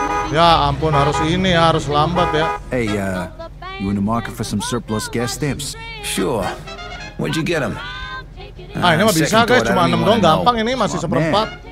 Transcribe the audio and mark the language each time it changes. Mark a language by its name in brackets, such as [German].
[Indonesian] Ya ampun, harus ini ya, harus lambat ya. [English] Hey, you in the market for some surplus gas stamps? Sure. Where'd you get them? [Indonesian] Ah, ini mah bisa guys, cuma 6 dong, gampang ini, masih seperempat.